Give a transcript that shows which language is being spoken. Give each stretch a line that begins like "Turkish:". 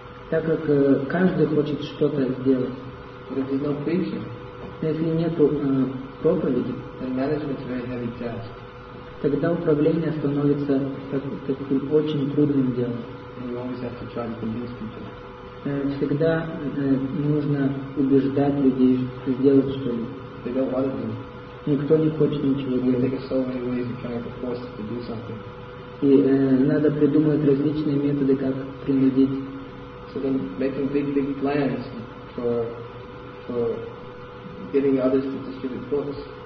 Russian: Так как каждый хочет что-то сделать.
English: But if there's no preaching,
Russian: но если нет проповеди,
English: then management's a very heavy task.
Russian: Тогда управление становится таким очень трудным делом.
English: And you always have to try to convince people.
Russian: Всегда нужно убеждать людей сделать что-то.
English: They don't want to do.
Russian: Никто не хочет ничего делать.
English: There are so many ways of trying to force them to do something.
Russian: И надо придумывать различные методы, как принудить.
English: So then making big plans for getting others to distribute books.